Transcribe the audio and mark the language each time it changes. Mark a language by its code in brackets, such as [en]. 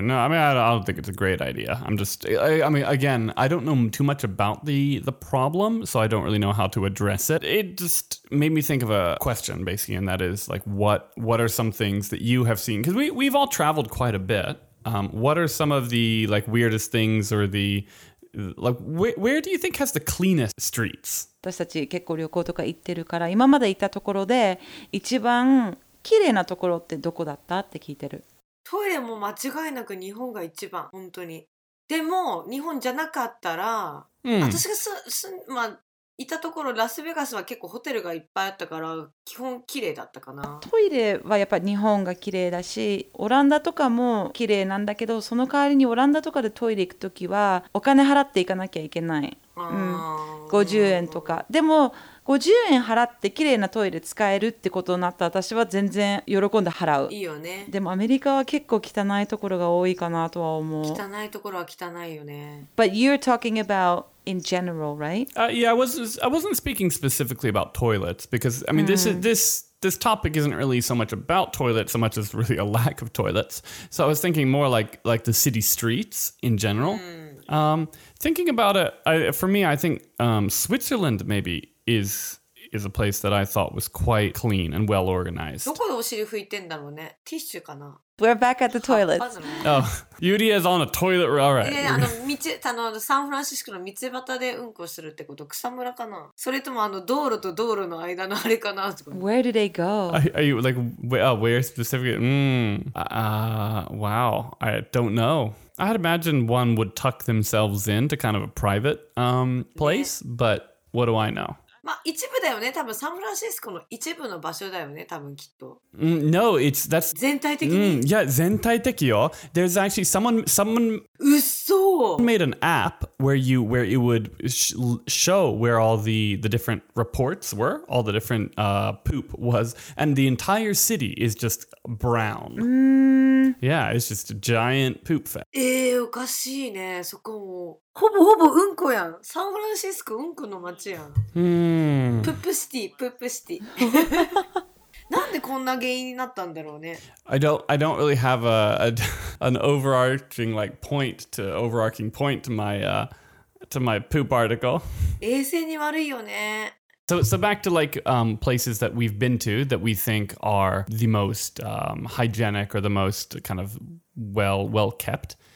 [en] No, I mean, I don't think it's a great idea. I mean, again, I don't know too much about the problem, so I don't really know how to address it. It just made me think of a question, basically, and that is, like, what are some things that you have seen? Because we've all traveled quite a bit. What are some of the, like, weirdest things or the... Like, where do you think has the cleanest streets? [ja] 私たち結構旅行とか行ってるから、今まで行ったところで一番綺麗なところってどこだったって聞いてる。トイレも間違いなく日本が一番、本当に。でも、日本じゃなかったら、私がまあ、いたところラスベガスは結構ホテルがいっぱいあったから基本綺麗だったかな。トイレはやっぱ日本が綺麗だし、オランダとかも綺麗なんだけど、その代わりにオランダとかでトイレ行くときはお金払って行かなきゃいけない。 50円とか。でも50円払って綺麗なトイレ使えるってことになったら私は全然喜んで払う。いいよね。でもアメリカは結構汚いところが多いかなとは思う。汚いところは汚いよね。 [en] But you're talking aboutIn general, right? I wasn't speaking specifically about toilets because, I mean, this topic isn't really so much about toilets so much as really a lack of toilets. So I was thinking more like the city streets in general. Thinking about it, I think Switzerland maybe is a place that I thought was quite clean and well organized. [ja] どこでお尻拭いてんだろうね? ティッシュかな? [en] We're back at the toilet. Oh, Yuri is on a toilet. All right. [ja] サンフランシスコの道端でうんこするってこと、草むらかな? それとも道路と道路の間のあれかな? [en] Where do they go? Are you like, where specifically? Wow, I don't know. I'd imagine one would tuck themselves in to kind of a private place, ね、but what do I know? [ja] まあ、一部だよね。多分サンフランシスコの一部の場所だよね。多分きっと。 [en] No, it's that's [ja] 全体的に。 [en] Yeah, [ja] 全体的よ。 [en] There's actually someone. [ja] うそ。 [en] Made an app where it would show where all the different reports were, all the different poop was, and the entire city is just brown. Yeah, it's just a giant poop fest. [ja] おかしいね。そこも。ほぼほぼうんこやん。サンフランシスコうんこの街やん。プップシティ、プップシティ。なんでこんな原因になったんだろうね。 [en] I don't really have an overarching like point to overarching point to my poop article. [ja] 衛生に悪いよね。 [en] So back to like places that we've been to that we think are the most hygienic or the most kind of well kept.